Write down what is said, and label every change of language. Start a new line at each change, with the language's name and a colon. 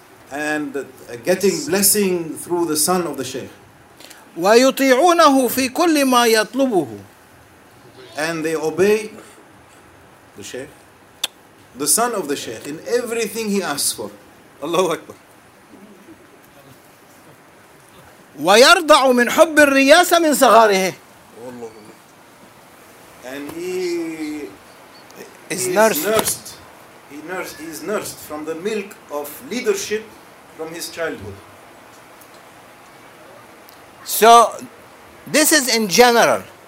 English: And getting blessing through the son of the sheikh.
Arabic: وَيُطِيعُونَهُ فِي كُلِّ مَا يَطْلُبُهُ
English: And they obey the sheikh, the son of the sheikh, in everything he asks for.
Arabic: Allahu Akbar. ويرضع من حب الرياسة من صغاره.
English: And he is nursed from the milk of leadership from his childhood. So this is in general.